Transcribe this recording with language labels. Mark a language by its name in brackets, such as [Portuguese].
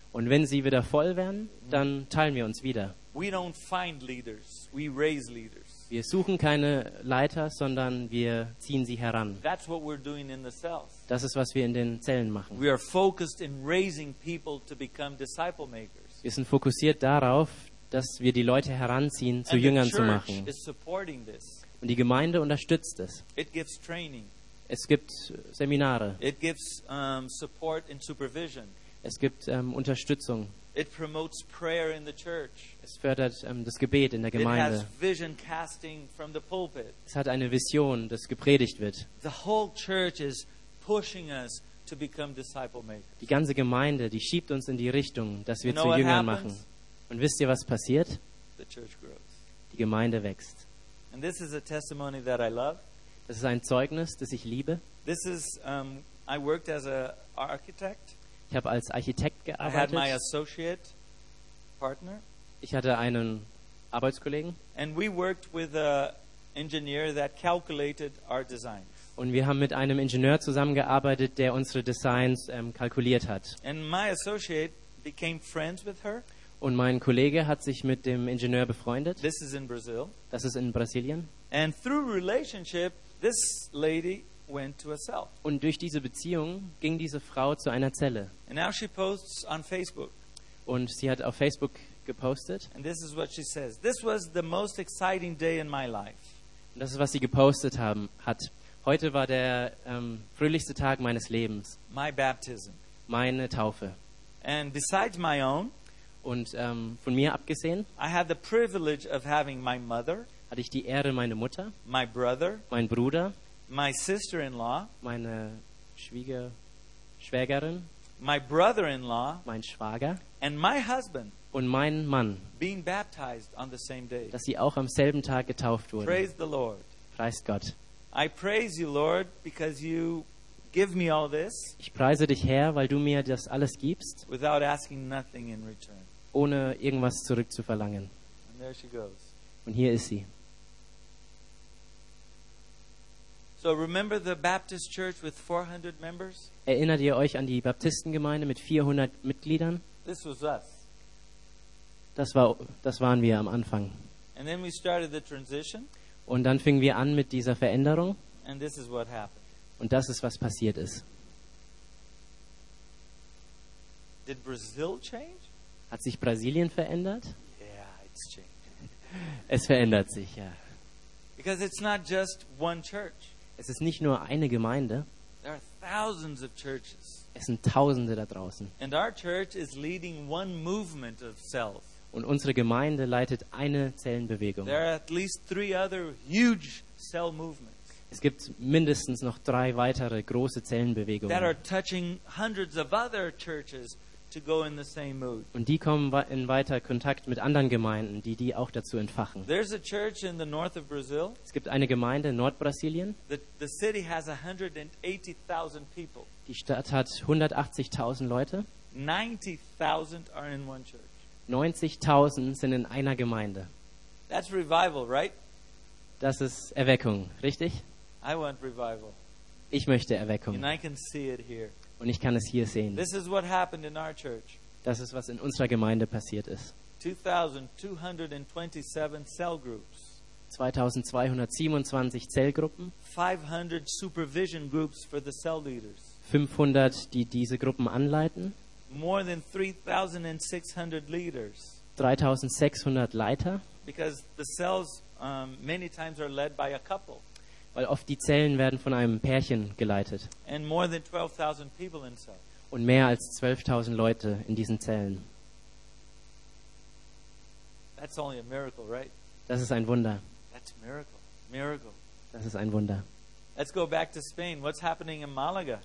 [German] Und wenn sie wieder voll werden, dann teilen wir uns wieder. [English] We don't find leaders, we raise leaders. [German] Wir suchen keine Leiter, sondern wir ziehen sie heran. [English] That's what we're doing in the cells. [German] Das ist, was wir in den Zellen machen. [English] We are focused in raising people to become disciple makers. [German] Wir sind fokussiert darauf, dass wir die Leute heranziehen, zu [English] And [German] Jüngern [English] the church [German] zu machen. [English] Is supporting this. [German] Und die Gemeinde unterstützt es. [English] It gives training. [German] Es gibt Seminare. [English] It gives, support and supervision. [German] Es gibt Unterstützung. [English] It promotes prayer in the church. [German] Es fördert das Gebet in der Gemeinde. [English] It has vision casting from the pulpit. [German] Es hat eine Vision, dass gepredigt wird. [English] The whole church is pushing us to become disciple makers. [German] Die ganze Gemeinde, die schiebt uns in die Richtung, dass wir zu Jüngern machen. Und wisst ihr, was passiert? [English] The church grows. [German] Die Gemeinde wächst. [English] And this is a testimony that I love. [German] Das ist ein Zeugnis, das ich liebe. [English] This is I worked as a architect. [German] Ich habe als Architekt gearbeitet. [English] I had my associate partner. [German] Ich hatte einen Arbeitskollegen. [English] And we worked with an engineer that calculated our designs. [German] Und wir haben mit einem Ingenieur zusammengearbeitet, der unsere Designs kalkuliert hat. [English] And my associate became friends with her. [German] Und mein Kollege hat sich mit dem Ingenieur befreundet. [English] This is in Brazil. [German] Das ist in Brasilien. [English] And through relationship, this lady went to a cell. [German] Und durch diese Beziehung ging diese Frau zu einer Zelle. [English] And now she posts on Facebook. [German] Und sie hat auf Facebook gepostet. [English] And this is what she says. This was the most exciting day in my life. [German] Und das ist, was sie gepostet haben, hat. Heute war der fröhlichste Tag meines Lebens. [English] My baptism. [German] Meine Taufe. [English] And besides my own, [German] und von mir abgesehen, [English] I had the privilege of having my mother, [German] hatte ich die Ehre, meine Mutter, [English] my brother, [German] mein Bruder, [English] my sister-in-law, [German] meine Schwägerin, [English] my brother-in-law, [German] mein Schwager, [English] and my husband, [German] und mein Mann, [English] being baptized on the same day. [German] Dass sie auch am selben Tag getauft wurden. [English] Praise the Lord. [German] Preist Gott. [English] I praise you, Lord, because you give me all this. [German] Ich preise dich, Herr, weil du mir das alles gibst. [English] Without asking nothing in return. [German] Ohne irgendwas zurückzuverlangen. [English] And there she goes. [German] Und hier ist sie. [English] So remember the Baptist church with 400 members? [German] Erinnert ihr euch an die Baptistengemeinde mit 400 Mitgliedern? [English] This was us. [German] Das waren wir am Anfang. [English] And then we started the transition. [German] Und dann fingen wir an mit dieser Veränderung. [English] And this is what happened. [German] Und das ist, was passiert ist. [English] Did Brazil change? [German] Hat sich Brasilien verändert? [English] Yeah, it's changed. [German] Es verändert sich, ja. [English] Because it's not just one church. [German] Es ist nicht nur eine Gemeinde. [English] There are thousands of churches. [German] Es sind Tausende da draußen. [English] And our church is leading one movement of cells. [German] Und unsere Gemeinde leitet eine Zellenbewegung. [English] There are at least three other huge cell movements. [German] Es gibt mindestens noch drei weitere große Zellenbewegungen. [English] That are touching hundreds of other churches to go in the same mood. [German] Und die kommen in weiter Kontakt mit anderen Gemeinden, die die auch dazu entfachen. [English] There's a church in the north of Brazil. [German] Es gibt eine Gemeinde in Nordbrasilien. [English] The city has 180,000 people. [German] Die Stadt hat 180,000 Leute. [English] 90,000 are in one church. [German] 90,000 sind in einer Gemeinde. [English] That's revival, right? [German] Das ist Erweckung, richtig? [English] I want revival. [German] Ich möchte Erweckung. [English] And I can see it here. [German] Und ich kann es hier sehen. [English] This is what happened in our church. [German] Das ist, was in unserer Gemeinde passiert ist. [English] 2,227 cell groups. [German] 2,227 Zellgruppen. [English] 500 supervision groups for the cell leaders. [German] 500, die diese Gruppen anleiten. [English] More than 3,600 leaders. [German] 3,600 Leiter. [English] Because the cells many times are led by a couple. [German] Weil oft die Zellen werden von einem Pärchen geleitet. [English] And more than 12,000 people in cells. [German] Und mehr als 12,000 Leute in diesen Zellen. [English] That's only a miracle, right? [German] Das ist ein Wunder. [English] That's a miracle. Miracle. [German] Das ist ein Wunder. [English] Let's go back to Spain. What's happening in Malaga?